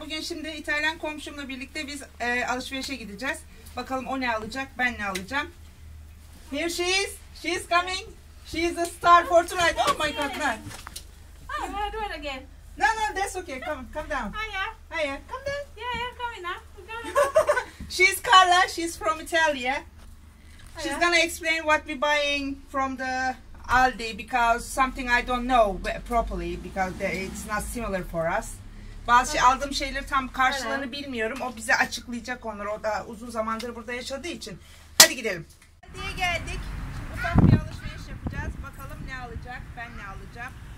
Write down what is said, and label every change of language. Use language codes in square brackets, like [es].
[tr] Bugün şimdi İtalyan komşumla birlikte biz alışverişe gideceğiz. Bakalım o ne alacak, ben ne alacağım. [en] Here she is. She is coming. She is a star for tonight. Oh my god. No. Do it again. No, that's okay. Come down. Hiya. Come down. Yeah, I'm coming. She is Carla. She's from Italia. She's gonna explain what we're buying from the Aldi because something I don't know properly because it's not similar for us. [tr] Bazı şey, aldığım şeyleri tam karşılığını bilmiyorum. O bize açıklayacak onları. O da uzun zamandır burada yaşadığı için. Hadi gidelim. Diye geldik. Ufak bir alışveriş yapacağız. Bakalım ne alacak, ben ne alacağım.